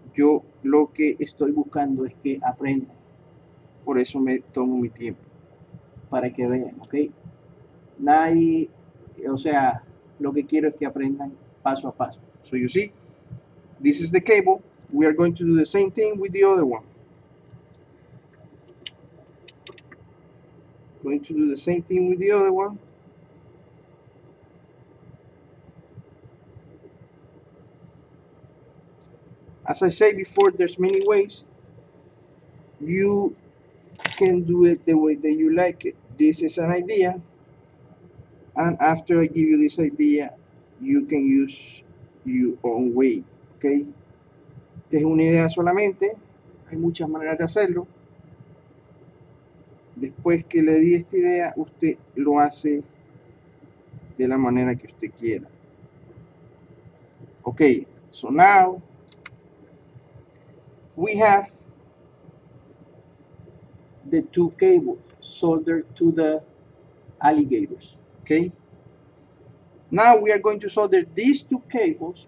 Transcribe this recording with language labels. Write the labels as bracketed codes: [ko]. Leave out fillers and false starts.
[es] Yo lo que estoy buscando es que aprenda, por eso me tomo mi tiempo, para que vean, okay? Nadie, o sea, lo que quiero es que aprendan paso a paso. [en] So you see, this is the cable. We are going to do the same thing with the other one. Going to do the same thing with the other one. As I said before, there's many ways. You can do it the way that you like it. This is an idea. And after I give you this idea, you can use your own way. Okay. [es] Esta es una idea solamente. Hay muchas maneras de hacerlo. Después que le di esta idea, usted lo hace de la manera que usted quiera. [en] Ok, so now we have the two cables soldered to the alligators. Ok, now we are going to solder these two cables.